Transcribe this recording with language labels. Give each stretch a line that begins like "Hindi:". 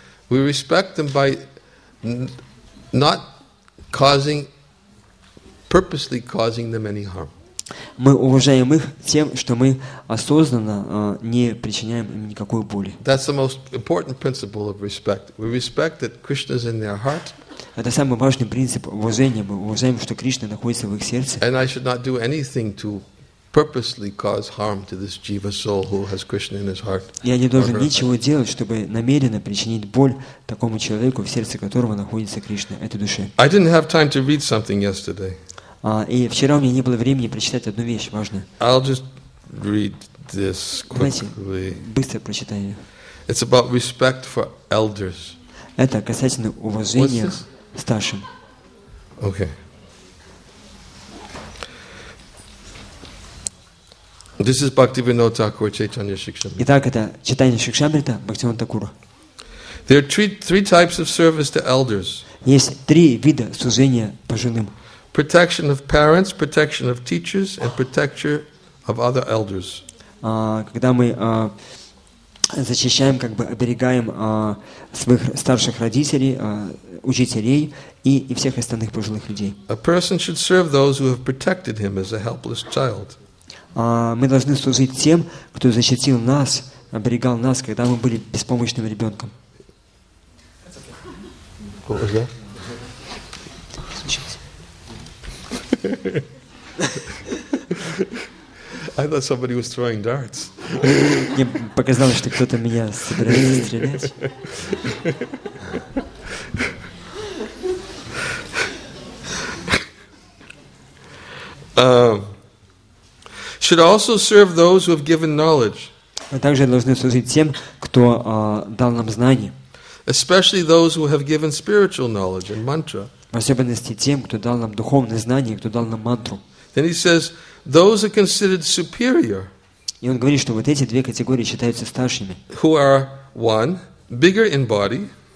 English: We respect them by not causing, purposely causing them any harm.
Russian: Мы уважаем их тем, что мы осознанно не причиняем им никакой боли.
English: That's the most important principle of respect. We respect that Krishna's in their heart.
Russian: Это самый важный принцип уважения. Мы уважаем, что Кришна находится в их сердце.
English: And I should not do anything to purposely cause harm to this jiva soul who has Krishna in his heart.
Russian: Я не должен ничего делать, чтобы намеренно причинить боль такому человеку, в сердце которого находится Кришна, этой душе.
English: I didn't have time to read something yesterday.
Russian: И вчера у меня не было времени прочитать одну вещь важную.
English: I'll just read this quickly.
Russian: Давайте быстро прочитаю.
English: It's about respect for elders.
Russian: Это касательно уважения старшим.
English: Okay. This is Bhaktivinoda Thakura Chaitanya Shikshamrita.
Russian: Итак, это читание Шикшамрита Бхактивинода Такура.
English: There are three types of service to elders.
Russian: Есть три вида служения пожилым.
English: Protection of parents, protection of teachers, and protection of other elders.
Russian: Когда мы защищаем, как бы оберегаем своих старших родителей, учителей и всех остальных пожилых людей.
English: A person should serve those who have protected him as a helpless child.
Russian: Мы должны служить тем, кто защитил нас, оберегал нас, когда мы были беспомощным ребенком.
English: What was that? I thought somebody was throwing darts.
Russian: Мне показалось, что кто-то меня собирается стрелять.
English: Should also serve those who have given knowledge.
Russian: Мы также должны служить тем, кто дал нам знания.
English: Especially those who have given spiritual knowledge and mantra.
Russian: В особенности тем, кто дал нам духовные знания, кто дал нам мантру.
English: Then he says, those are considered superior.
Russian: И он говорит, что вот эти две категории считаются старшими.
English: Who are one, bigger in body.